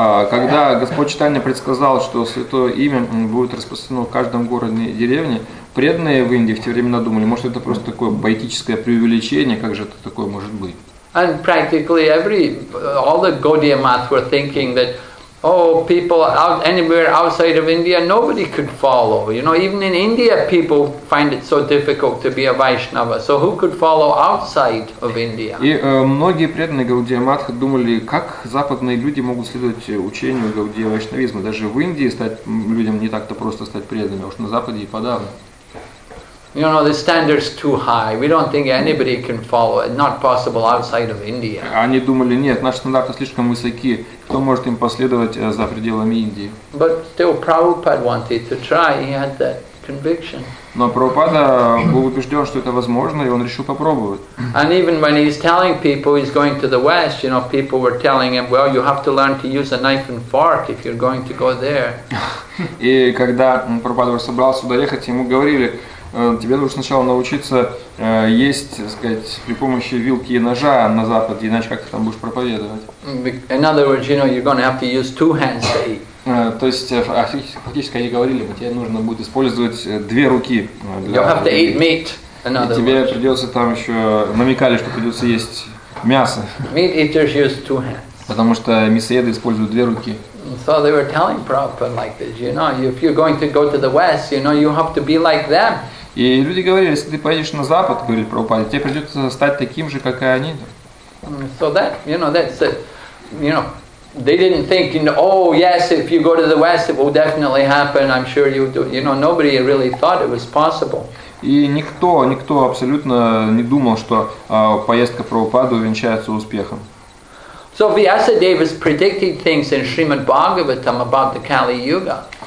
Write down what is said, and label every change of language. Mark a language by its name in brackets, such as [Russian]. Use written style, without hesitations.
[Russian] Когда Господь Чайтанья предсказал, что Святое Имя будет распространено в каждом городе и деревне, преданные в Индии в те времена думали, может, это просто такое байтическое преувеличение, как же это такое может быть? [English] And practically all the Gaudiya Math were thinking that, people anywhere outside of India, nobody could follow. You know, even in India, people find it so difficult to be a Vaishnava. So who could follow outside of India? [Russian] И многие преданные Гаудия Матха думали, как западные люди могут следовать учению Гаудия Вайшнавизма. Даже в Индии стать людям не так-то просто стать преданными, уж на Западе и подавно. [English] You know, the standard's too high. We don't think anybody can follow it. Not possible outside of India. [Russian] Они думали, нет, наши стандарты слишком высоки. Кто может им последовать за пределами Индии? [English] But still, Prabhupada wanted to try. He had that conviction. [Russian] Но Прабхупада был убежден, что это возможно, и он решил попробовать. [English] And even when he's telling people he's going to the West, you know, people were telling him, well, you have to learn to use a knife and fork if you're going to go there. [Russian] И когда Прабхупада собрался туда ехать, ему говорили, тебе нужно сначала научиться есть, так сказать, при помощи вилки и ножа на Запад, иначе как ты там будешь проповедовать? [English] In other words, you know, you're gonna have to use two hands to eat. [Russian] То есть фактически они говорили, тебе нужно будет использовать две руки. [English] You'll have to eat meat. [Russian] И тебе придется там еще намекали, что придется есть мясо. [English] Meat eaters use two hands. [Russian] Потому что мясоеды используют две руки. [English] So they were telling Prabhupada like this, you know, if you're going to go to the West, you know, you have to be like them. [Russian] И люди говорили, если ты поедешь на Запад, говорит Прабхупада, тебе придется стать таким же, как и они. [English] So that, you know, that's it. You know, they didn't think, you know, oh yes, if you go to the West, it will definitely happen. I'm sure you do. You know, nobody really thought it was possible. [Russian] И никто абсолютно не думал, что поездка Прабхупады увенчается успехом. [English] So Vyasadeva is predicting things in Srimad Bhagavatam about the Kali Yuga.